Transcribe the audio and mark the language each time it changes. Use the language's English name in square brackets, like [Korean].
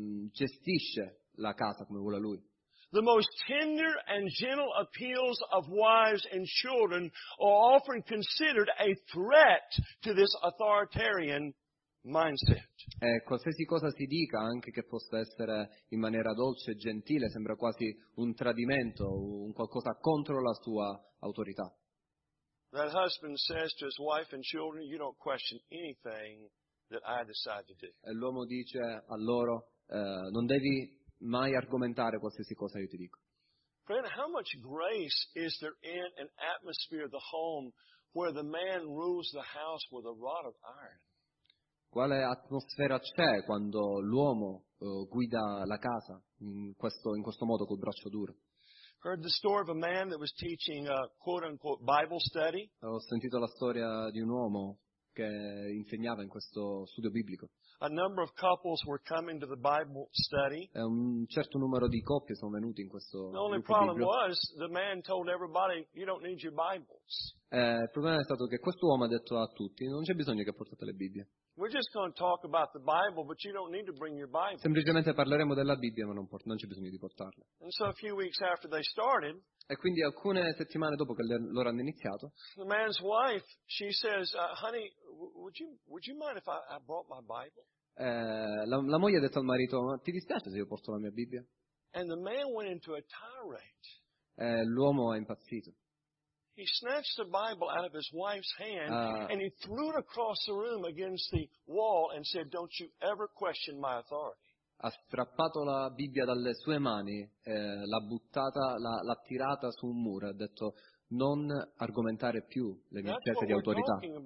[Italian] gestisce la casa come vuole lui. [English] The most tender and gentle appeals of wives and children are often considered a threat to this authoritarian mindset. [Italian] Qualsiasi cosa si dica, anche che possa essere in maniera dolce e gentile, sembra quasi un tradimento, un qualcosa contro la sua autorità. [English] That husband says to his wife and children, "You don't question anything that I decide to do." [Italian] E l'uomo dice a loro, "Non devi mai argomentare qualsiasi cosa io ti dico." [English] Friend, how much grace is there in an atmosphere of the home where the man rules the house with a rod of iron? [Italian] Quale atmosfera c'è quando l'uomo guida la casa in questo modo col braccio duro? [English] Heard the story of a man that was teaching a quote unquote Bible study. [Italian] Ho sentito la storia di un uomo che insegnava in questo studio biblico. [English] A number of couples were coming to the Bible study. [Italian] Un certo numero di coppie sono venute in questo. [English] The only problem was the man told everybody, "You don't need your Bibles." [Italian] Il problema è stato che questo uomo ha detto a tutti, "Non c'è bisogno che portate le Bibbie." [English] We're just going to talk about the Bible, but you don't need to bring your Bible. [Italian] Semplicemente parleremo della Bibbia, ma non c'è bisogno di portarla. [English] And so a few weeks after they started. [Italian] E quindi alcune settimane dopo che loro hanno iniziato. [English] The man's wife, she says, "Honey, would you mind if I brought my Bible?" [Italian] La moglie ha detto al marito, "Ma ti dispiace se io porto la mia Bibbia?" [English] And the man went into a tirade. [Italian] L'uomo è impazzito. [English] He snatched the Bible out of his wife's hand and he threw it across the room against the wall and said, "Don't you ever question my authority." [Italian] Ha strappato la Bibbia dalle sue mani, l'ha buttata, l'ha tirata su un muro e ha detto, non argomentare più le mie scelte di autorità.